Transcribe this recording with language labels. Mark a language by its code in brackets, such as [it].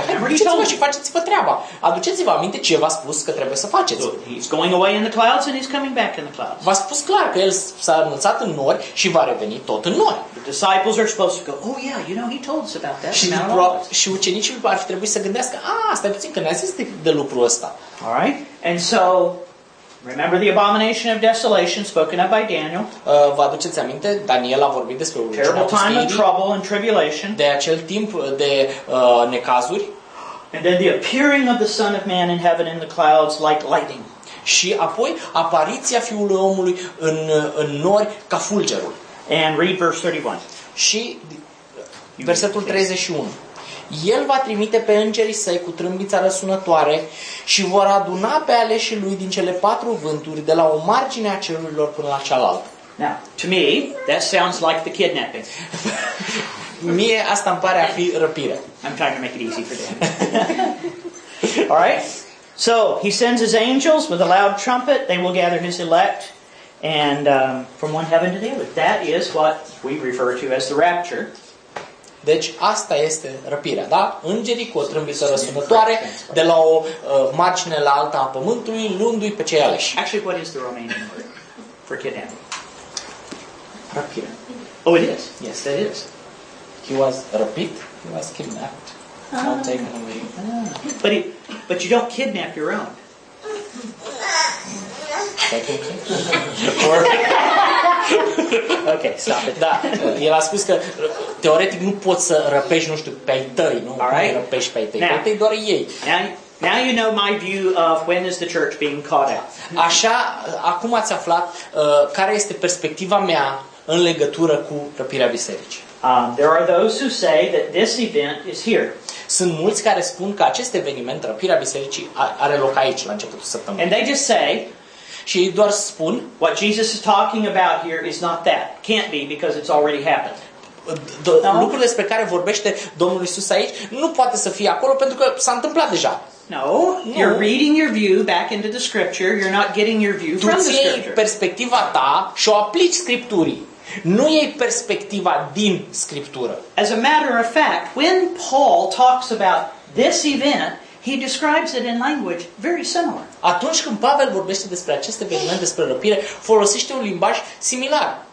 [ro] Hai, duceți-vă și faceți-vă treaba. Aduceți-vă aminte ce v-a spus că trebuie să faceți." [en] So he's going away in the clouds and he's coming back in the clouds. [ro] V-a spus clar că el s-a înălțat în nori și va reveni tot în nori. [en] The disciples are supposed to go, "Oh yeah, you know, he told us about that." [ro] Și ucenicii ar fi trebuit să gândească, stai puțin, că ne-a zis de lucrul ăsta. [en] All right? And so, remember the abomination of desolation spoken of by Daniel. [ro] Vă aduceți aminte? Daniel a vorbit despre [en] urmă. Terrible time of trouble and tribulation. [ro] De acel timp de necazuri. [en] And then the appearing of the Son of Man in heaven in the clouds like lightning. [ro] Și apoi apariția Fiului Omului în nori ca fulgerul. [en] And read verse 31. [ro] Și versetul 31. El va trimite pe îngerii săi cu trâmbița răsunătoare și vor aduna pe aleșii lui din cele patru vânturi de la o margine a cerurilor până la cealaltă. [en] Now, to me, that sounds like the kidnapping. [ro] Mie asta îmi pare a fi răpire. [en] I'm trying to make it easy for them. All right? So, he sends his angels with a loud trumpet. They will gather his elect and from one heaven to the other. That is what we refer to as the rapture. [ro] Deci asta este răpirea, da? Îngerii cu o trâmbiță răsunătoare de la o margine la alta a pământului, luându-i pe cei aleși. [en] Actually, what is the Romanian word for kidnapping? [ro] Răpire. [en] Oh, it is. Yes, that is. He was răpit. He was kidnapped. Not taken away. But you don't kidnap your own. Okay, stop it. [ro] Da, el a spus că teoretic nu poți să răpești, nu știu, pe ai tăi, nu? [en] All right. [ro] Nu răpești pe ai tăi, pe ai doar ei. [en] Now you know my view of when is the church being caught out. [ro] Așa, acum ați aflat care este perspectiva mea în legătură cu răpirea bisericii. [en] There are those who say that this event is here. [ro] Sunt mulți care spun că acest eveniment, răpirea bisericii, are loc aici, la începutul săptămânii. [en] And they just say, [ro] și doar spun, [en] what Jesus is talking about here is not that. Can't be because it's already happened. [ro] Lucrurile despre care vorbește Domnul Iisus aici nu poate să fie acolo pentru că s-a întâmplat deja. [en] No, you're reading your view back into the scripture. You're not getting your view from the scripture. [ro] Tu ții perspectiva ta și o aplici scripturii. Nu e perspectiva din scriptură. [en] As a matter of fact, when Paul talks about this event, he describes it in language very similar. [ro] Atunci când Pavel vorbește despre acest eveniment, despre răpire, folosește un limbaj similar.